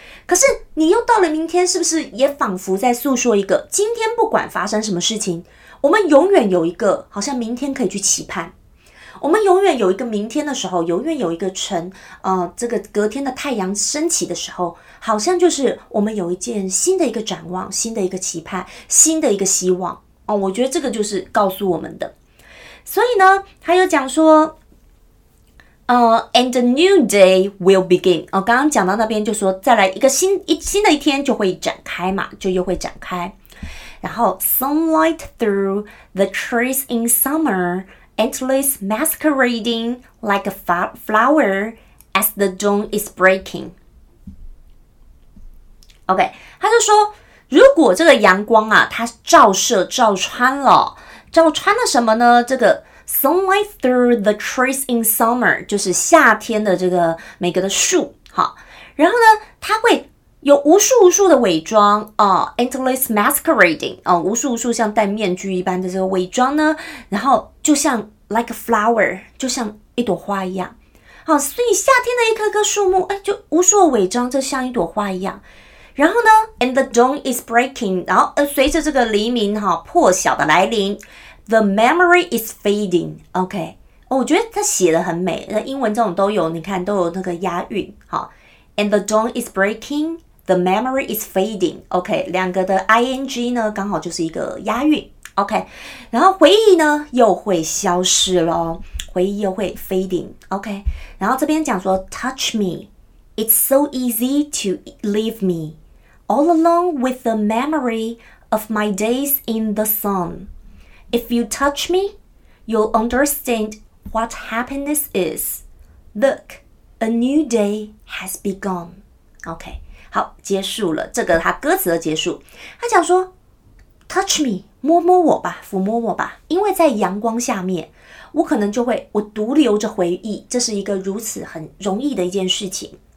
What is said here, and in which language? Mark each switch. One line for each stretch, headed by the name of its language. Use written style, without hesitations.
Chinese: 可是你又到了明天，是不是也仿佛在诉说一个今天不管发生什么事情，我们永远有一个好像明天可以去期盼，我们永远有一个明天的时候，永远有一个这个隔天的太阳升起的时候，好像就是我们有一件新的一个展望，新的一个期盼，新的一个希望哦。我觉得这个就是告诉我们的。所以呢他又讲说
English: and a new day will begin.
Chinese: 哦，刚刚讲到那边就说再来一个新的一天就会展开嘛，就又会展开。然后
English: sunlight through the trees in summer, endless masquerading like a flower as the dawn is breaking.
Chinese: OK, 他就说如果这个阳光啊它照穿了什么呢，这个
English: Sunlight through the trees in summer,
Chinese: 就是夏天的这个每个的树。好，然后呢它会有无数无数的伪装,
English: endless masquerading,
Chinese: 无数无数像戴面具一般的这个伪装呢，然后就像
English: like a flower,
Chinese: 就像一朵花一样。好，所以夏天的一棵棵树木就无数的伪装，就像一朵花一样。然后呢
English: ,and the dawn is breaking,
Chinese: 然后随着这个黎明破晓的来临，
English: The memory is fading.
Chinese: OK,、我觉得他写的很美。那英文这种都有，你看都有那个押韵。
English: 好 ，And the dawn is breaking. The memory is fading.
Chinese: OK, 两个的 ing 呢，刚好就是一个押韵。 OK, 然后回忆呢又会消失咯，回忆又会
English: fading.
Chinese: OK, 然后这边讲说 ，
English: Touch me. It's so easy to leave me all alone with the memory of my days in the sun. If you touch me, you'll understand what happiness is. Look, a new day has begun.
Chinese: OK, 好，结束了，这个他歌词的结束。他讲说 ,
English: touch me,
Chinese: 摸摸我吧，抚摸我吧，因为在阳光下面，我可能就会，我独留着回忆，这是一个如此很容易的一件事情。